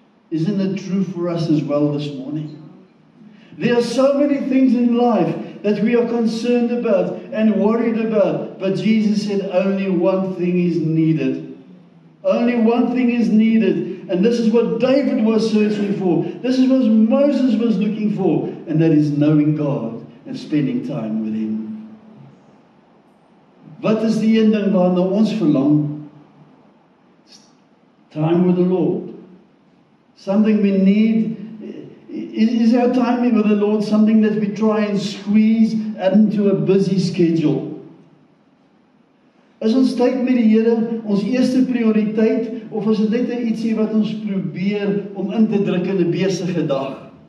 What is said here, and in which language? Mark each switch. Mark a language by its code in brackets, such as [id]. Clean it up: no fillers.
[en] Isn't it true for us as well this morning? There are so many things in life that we are concerned about and worried about. But Jesus said only one thing is needed. Only one thing is needed. And this is what David was searching for. This is what Moses was looking for. And that is knowing God and spending time with Him. [af] Wat is die een ding waarna ons verlang? [en] Time with the Lord. Something we need. Is our time with the Lord something that we try and squeeze into a busy schedule? [af] Is ons tyd met die Here ons eerste prioriteit, of is dit net ietsie wat ons probeer om in te druk in 'n besige dag?